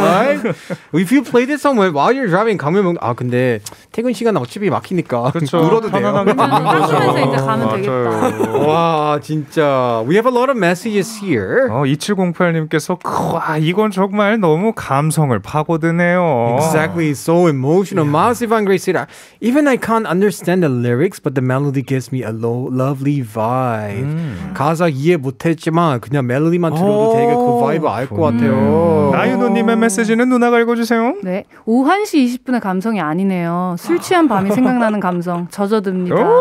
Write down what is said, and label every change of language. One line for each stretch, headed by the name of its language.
English: Right? If you play this somewhere while you're driving, 강변북로.
Korean: 아, 근데 퇴근 시간 어차피 막히니까. 그쵸, 울어도 돼요. 운전하면서 이제 가면 맞아요. 되겠다. 와, 진짜.
English: We have a lot of messages here.
Korean: 2708님께서 와, 이건 정말 너무 감성을 파고드네요.
English: Exactly, so emotional. Yeah. Miles Ivan Grace said, Even I can't understand the lyrics, but the melody gives me a lovely vibe.
Korean: 가사 이해 못했지만 그냥 멜로디만 들어도 되게 그 바이브 알 것 같아요. 나윤호님의 메시지는 누나가 읽어주세요. 네. 오후 1시 20분의 감성이 아니네요. 술 취한 밤이 생각나는 감성 젖어듭니다.